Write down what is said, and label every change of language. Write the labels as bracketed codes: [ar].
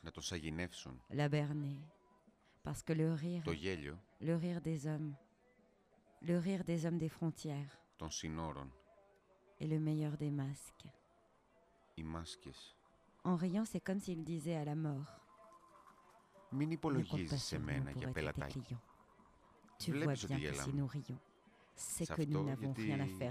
[el] Να τον σαγηνεύσουν. [fr] La berner. Parce que le rire. [el] Το γέλιο. [fr] Le rire des hommes. Le rire des hommes des frontières. [el] Των συνόρων. [fr] Est le meilleur des masques. [el] Οι μάσκες. [fr] En riant, c'est comme s'il disait à la mort. [el] Μην υπολογίζεις εμένα για πελατάκι. [fr] Tu vois bien que si nous rions, c'est que nous n'avons rien à faire de toi.